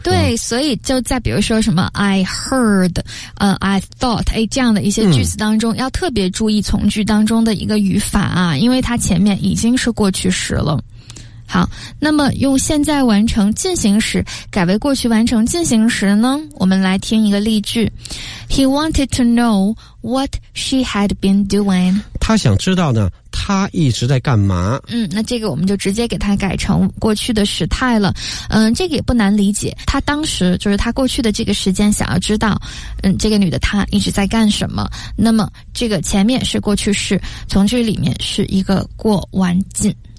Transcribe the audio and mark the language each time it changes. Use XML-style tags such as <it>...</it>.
<zh>对，所以就在比如说什么</zh> <en>I heard, I thought,</en> <zh>这样的一些句子当中，要特别注意从句当中的一个语法啊，因为它前面已经是过去时了。好，那么用现在完成进行时改为过去完成进行时呢，我们来听一个例句。</zh> <en>He wanted to know what she had been doing,</en> <zh>他想知道呢他一直在干嘛。那这个我们就直接给他改成过去的时态了。这个也不难理解，他当时就是他过去的这个时间想要知道这个女的他一直在干什么，那么这个前面是过去式，从这里面是一个过完尽。</zh>